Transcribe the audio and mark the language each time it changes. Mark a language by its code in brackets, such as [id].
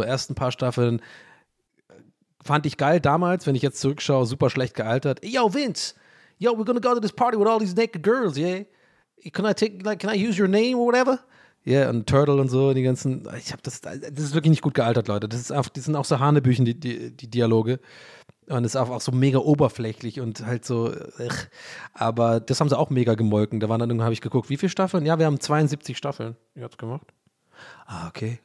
[de] Ersten paar Staffeln fand ich geil damals, wenn ich jetzt zurückschaue, super schlecht gealtert. [en] Yo, Vince, yo, we're gonna go to this party with all these naked girls, yeah? Can I use your name or whatever? [de] Yeah, und Turtle und so, und die ganzen. Ich hab das ist wirklich nicht gut gealtert, Leute. Das sind auch so Hanebüchen, die Dialoge. Und ist auch so mega oberflächlich und halt so, ach. Aber das haben sie auch mega gemolken. Da waren dann irgendwann, habe ich geguckt, wie viele Staffeln? Ja, wir haben 72 Staffeln jetzt gemacht. Ah, okay.